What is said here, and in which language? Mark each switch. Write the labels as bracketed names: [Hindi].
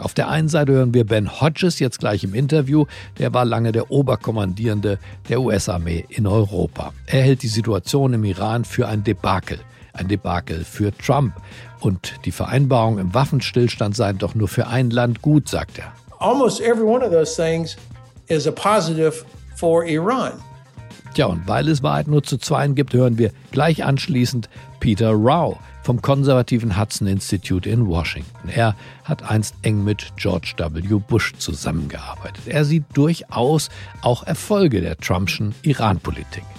[German] Auf der einen Seite hören wir Ben Hodges jetzt gleich im Interview. Der war lange der Oberkommandierende der US-Armee in Europa. Er hält die Situation im Iran für ein Debakel. Ein Debakel für Trump. Und die Vereinbarungen im Waffenstillstand seien doch nur für ein Land gut, sagt er. [English] Almost every one of those things is a positive for Iran. [German] Tja, und weil es Wahrheit nur zu zweien gibt, hören wir gleich anschließend Peter Rau vom konservativen Hudson Institute in Washington. Er hat einst eng mit George W. Bush zusammengearbeitet. Er sieht durchaus auch Erfolge der Trumpschen Iran-Politik.